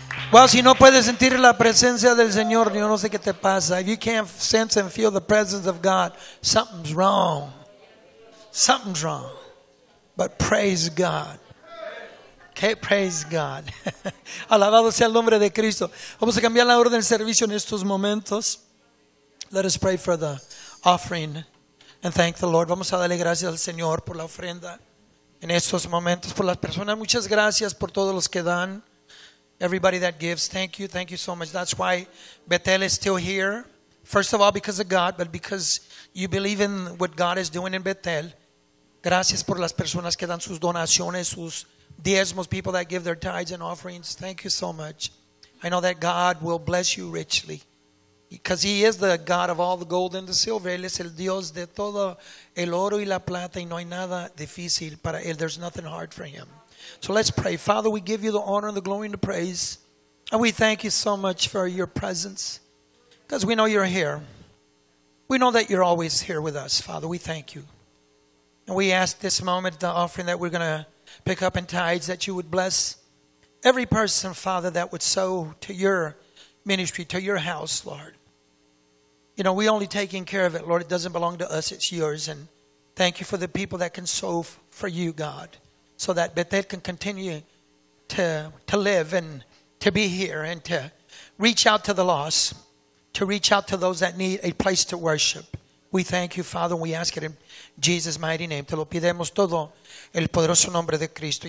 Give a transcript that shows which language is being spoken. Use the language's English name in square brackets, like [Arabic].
[Spanish] Well, si no puedes sentir la presencia del Señor, yo no sé qué te pasa. [English] If you can't sense and feel the presence of God, something's wrong. Something's wrong. But praise God. Okay, praise God. [Spanish] Alabado sea el nombre de Cristo. Vamos a cambiar la orden del servicio en estos momentos. [English] Let us pray for the offering and thank the Lord. [Spanish] Vamos a darle gracias al Señor por la ofrenda. En estos momentos, por las personas, muchas gracias por todos los que dan. [English] Everybody that gives, thank you so much. That's why Bethel is still here. First of all, because of God, but because you believe in what God is doing in Bethel. [Spanish] Gracias por las personas que dan sus donaciones, sus diezmos, [English] people that give their tithes and offerings. Thank you so much. I know that God will bless you richly. Because He is the God of all the gold and the silver. [Spanish] Él es el Dios de todo el oro y la plata. Y no hay nada difícil para Él. [English] There's nothing hard for Him. So let's pray. Father, we give You the honor and the glory and the praise. And we thank You so much for Your presence. Because we know You're here. We know that You're always here with us, Father. We thank You. And we ask this moment, the offering that we're going to pick up in tithes, that You would bless every person, Father, that would sow to Your ministry, to Your house, Lord. You know, we only taking care of it, Lord. It doesn't belong to us. It's Yours. And thank You for the people that can sow for You, God, so that Bethel can continue to live and to be here and to reach out to the lost, to reach out to those that need a place to worship. We thank You, Father, and we ask it in Jesus' mighty name. [Spanish] Te lo pidemos todo el poderoso nombre de Cristo.